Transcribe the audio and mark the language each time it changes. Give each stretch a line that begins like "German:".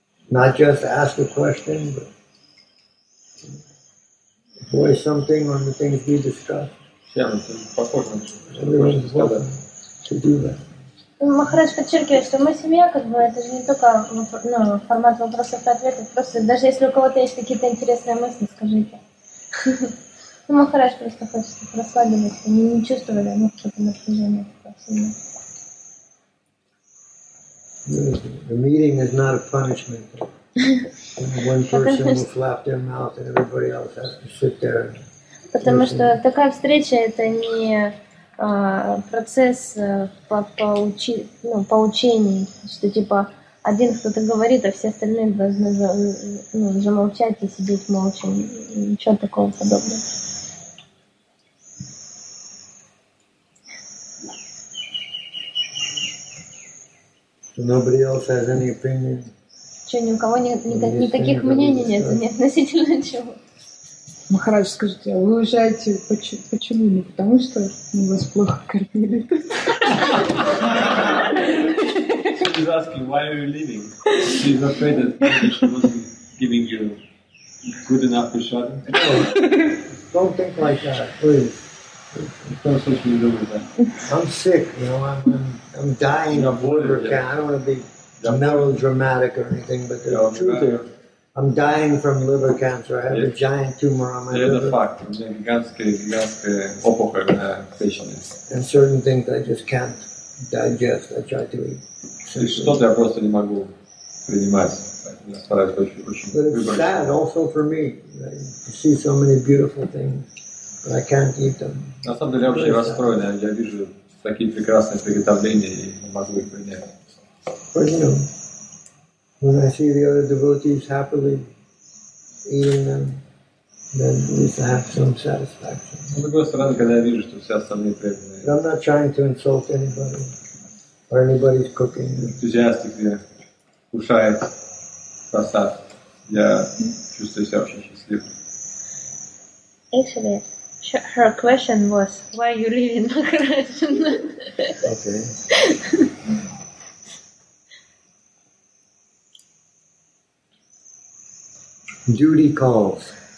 English: Not just ask a question, but voice something on the things we discussed. Everyone's welcome to do that.
Russian: Махарадж подчеркивает, что мы семья, как бы это же не только ну, формат вопросов и ответов, просто даже если у кого-то есть какие-то интересные мысли, скажите. Ну, Махарадж просто хочет расслабиться, мы не чувствовали, ну, что-то напряжение такое сильное.
English: The meeting is not a punishment. One person will flap their mouth and everybody else has to sit there.
Russian: Потому что такая встреча это не процесс поучений, что типа один кто-то говорит, а все остальные должны замолчать и сидеть молча, ничего такого подобного.
English: So nobody else has any opinion?
Russian: Че, ни у кого никаких мнений нет, не относительно чего? Махарадж, скажите, а вы уезжаете почему? Не потому что мы вас плохо кормили.
English: She's asking, why are you leaving? She's afraid that she wasn't giving you good enough to shut. Don't think like that, please. I'm sick, you know, I'm dying of liver cancer. I don't want to be melodramatic or anything, but the truth is. I'm dying from liver cancer. I have a giant tumor on my liver.
Russian: Это факт. Гигантская опухоль на печени.
English: And certain things I just can't digest. I try to eat.
Russian: И что-то я просто не могу принимать. Я стараюсь очень.
English: But it's sad also for me to see so many beautiful things, but I can't eat them.
Russian: На самом деле я вообще расстроен. Я вижу такие прекрасные приготовления и не могу их принять.
English: When I see the other devotees happily eating them, then at least I have some satisfaction.
Russian: С другой стороны, когда я вижу, что все остальные преданные.
English: I'm not trying to insult anybody or anybody's cooking.
Russian: Энтузиастики кушают просад. Я чувствую себя очень счастливым.
English: Actually, her question was, why are you leaving Махараджа? Okay. Duty calls.